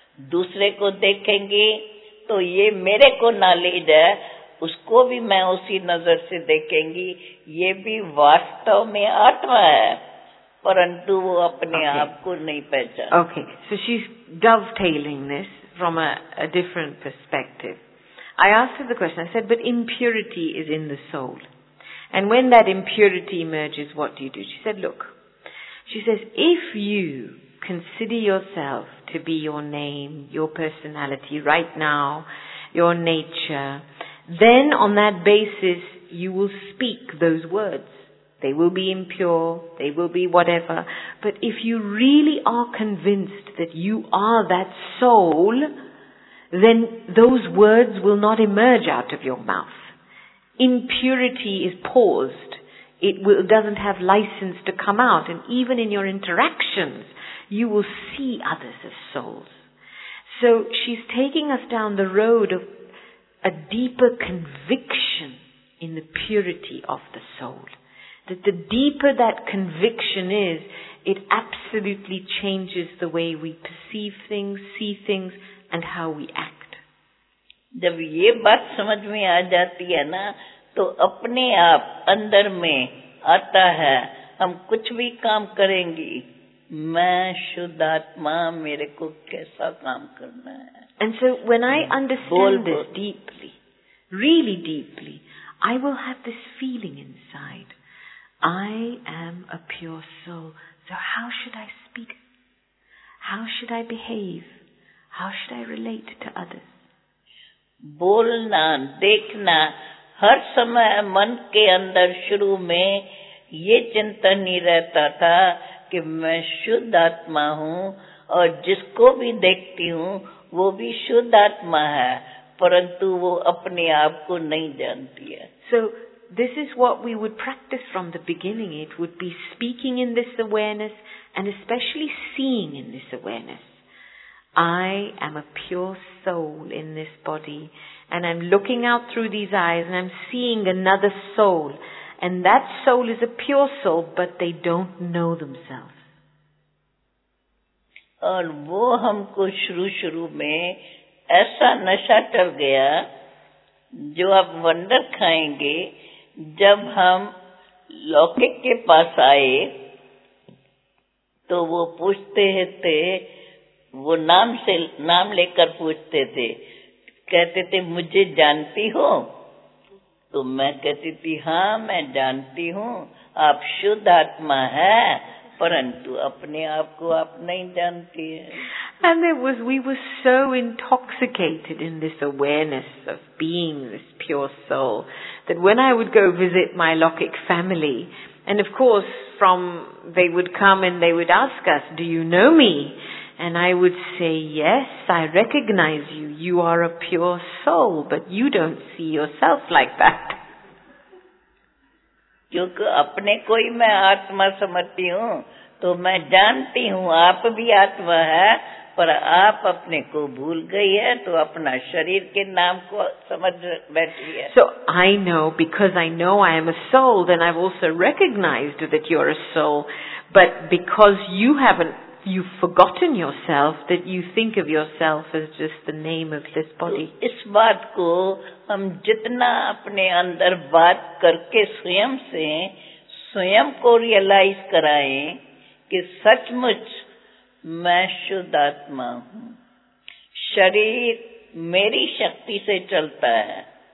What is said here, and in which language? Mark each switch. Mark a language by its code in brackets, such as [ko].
[hi] दूसरे को देखेंगे तो ये मेरे को नॉलेज है उसको भी मैं उसी नजर से देखेंगी ये भी वास्तव में आत्मा है परंतु वो अपने आप को नहीं पहचान. [en] Okay so she is dovetailing this from a different perspective. I asked her the question I said but impurity is in the soul. And when that impurity emerges, what do? She said, look, she says, if you consider yourself to be your name, your personality right now, your nature. Then on that basis, you will speak those words. They will be impure, they will be whatever. But if you really are convinced that you are that soul, then those words will not emerge out of your mouth. Impurity is paused. It doesn't have license to come out. And even in your interactions, you will see others as souls. So she's taking us down the road of a deeper conviction in the purity of the soul. That the deeper that conviction is, it absolutely changes the way we perceive things, see things, and how we act. [hi] जब ये बात समझ में आ जाती है ना, तो अपने आप अंदर में आता है, हम कुछ भी काम करेंगे, मैं शुद्ध आत्मा, मेरे को कैसा काम करना है? [en] And so when I understand this deeply, really deeply, I will have this feeling inside. I am a pure soul. So how should I speak? How should I behave? How should I relate to others? [hi] बोलना, देखना, हर समय मन के अंदर शुरू में ये चिंतन नहीं रहता था कि मैं शुद्ध आत्मा हूँ और जिसको भी देखती हूँ वो भी शुद्ध आत्मा है परंतु वो अपने आप को नहीं जानती है. [en] So this is what we would practice from the beginning. It would be speaking in this awareness and especially seeing in this awareness. I am a pure soul in this body and I'm looking out through these eyes and I'm seeing another soul and that soul is a pure soul but they don't know themselves. [hi] और वो हमको शुरू शुरू में ऐसा नशा चल गया जो आप वंडर खाएंगे जब हम लौकिक के पास आए तो वो पूछते थे वो नाम से नाम लेकर पूछते थे कहते थे मुझे जानती हो तो मैं कहती थी हाँ मैं जानती हूँ आप शुद्ध आत्मा है परंतु अपने आप को आप नहीं जानती है. [en] And there was, we were so intoxicated in this awareness of being this pure soul that when I would go visit my Lokic family, and of course from they would come and they would ask us, do you know me? And I would say, yes, I recognize you. You are a pure soul, but you don't see yourself like that. [hi] क्योंकि अपने को ही मैं आत्मा समझती हूँ, तो मैं जानती हूँ आप भी आत्मा है, पर आप अपने को भूल गई है, तो अपना शरीर के नाम को समझ बैठी है. [en] So I know, because I know I am a soul, then I've also recognized that you're a soul, but because you haven't, you've forgotten yourself that you think of yourself as just the name of this body. [hi] इस बात को हम जितना अपने अंदर बात करके स्वयं से स्वयं को रियलाइज कराएं कि सचमुच मैं शुद्ध आत्मा हूँ. शरीर मेरी शक्ति से चलता है.